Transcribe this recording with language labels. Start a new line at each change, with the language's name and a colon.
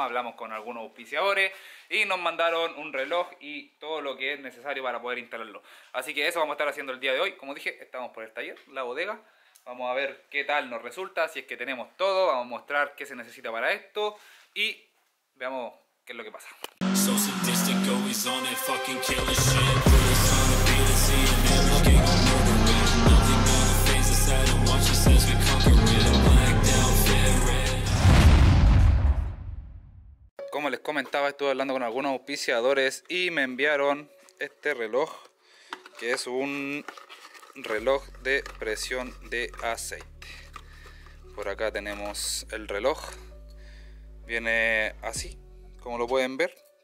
Spanish: Hablamos con algunos auspiciadores y nos mandaron un reloj y todo lo que es necesario para poder instalarlo. Así que eso vamos a estar haciendo el día de hoy. Como dije, estamos por el taller, la bodega. Vamos a ver qué tal nos resulta, si es que tenemos todo. Vamos a mostrar qué se necesita para esto y veamos qué es lo que pasa.
English: So sadistic, always on that fucking killer shit. Put us on a beat and see a man we can't go nowhere with. Nothing but a phase inside and watch us as we conquer it.
Spanish: Como les comentaba, estuve hablando con algunos auspiciadores y me enviaron este reloj, que es un reloj de presión de aceite. Por acá tenemos el reloj, viene así como lo pueden ver.